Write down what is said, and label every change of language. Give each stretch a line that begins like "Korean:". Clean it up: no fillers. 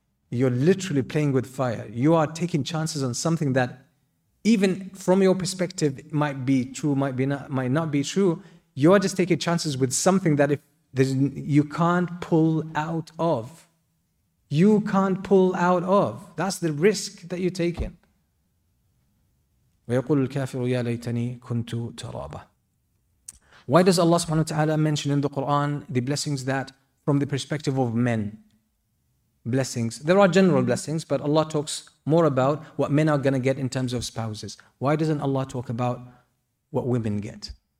English: You're literally playing with fire. You are taking chances on something that, even from your perspective, might be true, might not be true. You are just taking chances with something that, if You can't pull out of. You can't pull out of. That's the risk that you're taking.
Arabic: وَيَقُولُ الْكَافِرُ يَا لَيْتَنِي كُنْتُ تُرَابًا.
English: Why does Allah subhanahu wa ta'ala mention in the Quran the blessings that from the perspective of men? Blessings. There are general blessings, but Allah talks more about what men are going to get in terms of spouses. Why doesn't Allah talk about what women get?